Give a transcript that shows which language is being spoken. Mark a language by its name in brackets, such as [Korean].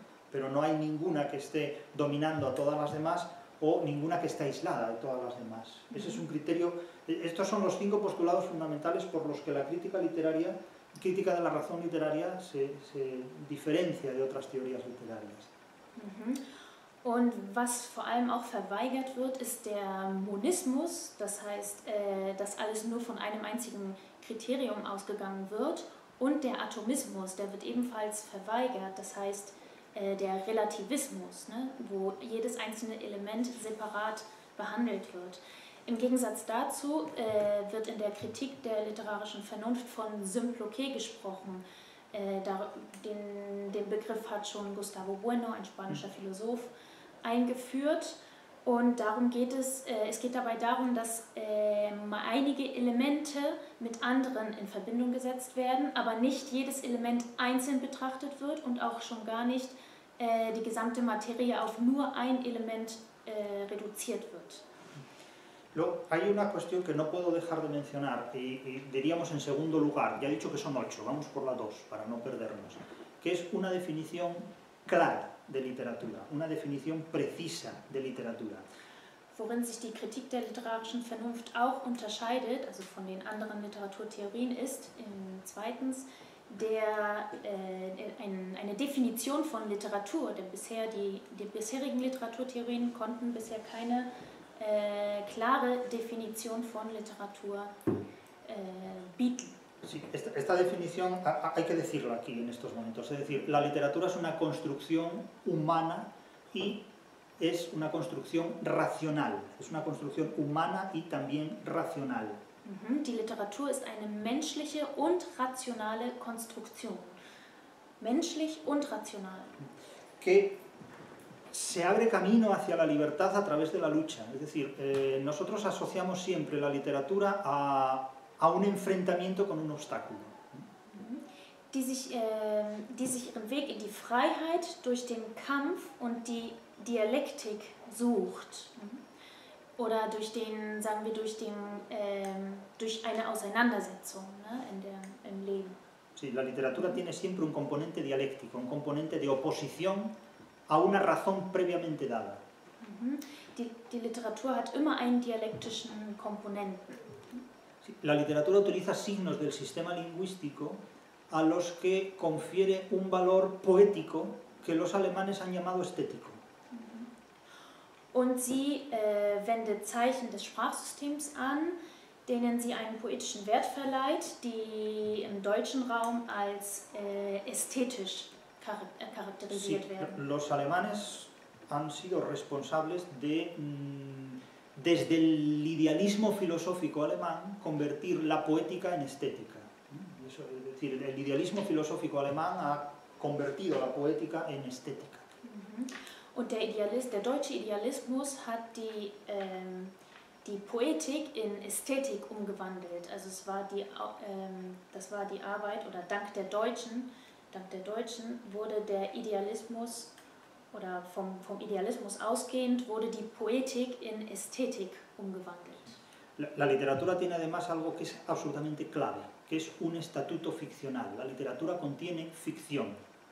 [Spanish] Pero no hay ninguna que esté dominando a todas las demás o ninguna que esté aislada de todas las demás. Ese es un criterio. Estos son los cinco postulados fundamentales por los que la crítica literaria, crítica de la razón literaria, se diferencia de otras teorías literarias. [German] Und was vor allem auch verweigert wird, ist der Monismus, das heißt, dass alles nur von einem einzigen Kriterium ausgegangen wird, und der Atomismus, der wird ebenfalls verweigert, das heißt der Relativismus, ne, wo jedes einzelne Element separat behandelt wird. Im Gegensatz dazu wird in der Kritik der literarischen Vernunft von Simploque gesprochen. Den Begriff hat schon Gustavo Bueno, ein spanischer Philosoph, eingeführt. Und darum geht es, es geht dabei darum, dass einige Elemente mit anderen in Verbindung gesetzt werden, aber nicht jedes Element einzeln betrachtet wird und auch schon gar nicht die gesamte Materie auf nur ein Element reduziert wird. [Spanish] Hay una cuestión que no puedo dejar de mencionar, diríamos en segundo lugar, ya he dicho que son ocho, vamos por la dos para no perdernos, que es una definición clara de literatura, una definición precisa de literatura. [German] Worin sich die Kritik der literarischen Vernunft auch unterscheidet, also von den anderen Literaturtheorien, ist zweitens eine Definition von Literatur, denn bisher die bisherigen Literaturtheorien konnten bisher keine klare Definition von Literatur bieten. [Spanish] Sí, esta definición hay que decirlo aquí en estos momentos. Es decir, la literatura es una construcción humana y es una construcción racional. Es una construcción humana y también racional. [German] Die Literatur ist eine menschliche und rationale Konstruktion. Menschlich und rational. [Spanish] Que se abre camino hacia la libertad a través de la lucha. Es decir, nosotros asociamos siempre la literatura a un enfrentamiento con un obstáculo. [German] Die sich ihren Weg in die Freiheit durch den Kampf und die Dialektik sucht. Oder durch den, sagen wir, durch den, durch eine Auseinandersetzung, ne, im Leben. [Spanish] Sí, la literatura tiene siempre un componente dialéctico, un componente de oposición a una razón previamente dada. [German] Die Literatur hat immer einen dialektischen Komponenten. [Spanish] La literatura utiliza signos del sistema lingüístico a los que confiere un valor poético que los alemanes han llamado estético. [German] Und sie wendet Zeichen des Sprachsystems an, denen sie einen poetischen Wert verleiht, die im deutschen Raum als ästhetisch charakterisiert [Spanish] sí, [German] werden. [Spanish] Los alemanes han sido responsables de desde el idealismo filosófico alemán, convertir la poética en estética. Eso, es decir, el idealismo filosófico alemán ha convertido la poética en estética. [German] Und der deutsche Idealismus hat die Poetik in Ästhetik umgewandelt. Also es war das war die Arbeit, oder dank der Deutschen wurde der Idealismus, oder vom Idealismus ausgehend, wurde die Poetik in Ästhetik umgewandelt. [Spanish] La literatura tiene además algo que es absolutamente clave, que es un estatuto ficcional. La literatura contiene ficción.